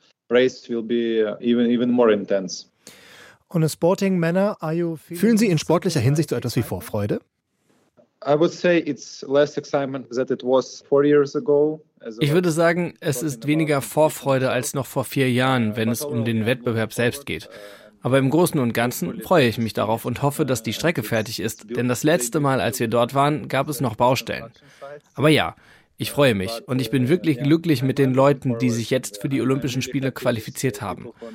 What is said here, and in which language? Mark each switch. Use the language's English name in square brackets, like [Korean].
[English] Race will be even more intense. On a sporting manner, are you feeling? [German] Fühlen Sie in sportlicher Hinsicht so etwas wie Vorfreude? [English] I would say it's less excitement than it was 4 years ago. [German] Ich würde sagen, es ist weniger Vorfreude als noch vor 4 Jahren, wenn es um den Wettbewerb selbst geht. Aber im Großen und Ganzen freue ich mich darauf und hoffe, dass die Strecke fertig ist, denn das letzte Mal, als wir dort waren, gab es noch Baustellen. Aber ja, ich freue mich und ich bin wirklich glücklich mit den Leuten, die sich jetzt für die Olympischen Spiele qualifiziert haben.